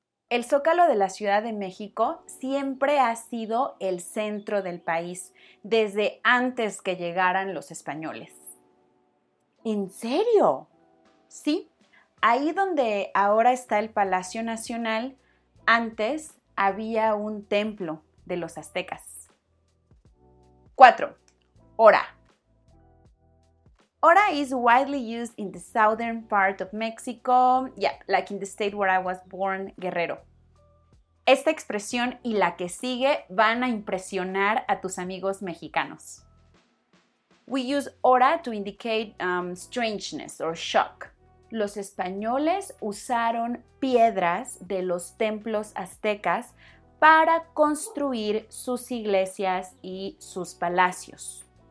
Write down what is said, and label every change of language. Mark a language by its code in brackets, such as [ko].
[es] El Zócalo de la Ciudad de México siempre ha sido el centro del país desde antes que llegaran los españoles. ¿En serio? Sí, ahí donde ahora está el Palacio Nacional, antes había un templo de los aztecas. 4. Hora. [en] Hora is widely used in the southern part of Mexico, like in the state where I was born, Guerrero. [es] Esta expresión y la que sigue van a impresionar a tus amigos mexicanos. [en] We use hora to indicate strangeness or shock. [es] Los españoles usaron piedras de los templos aztecas para construir sus iglesias y sus palacios.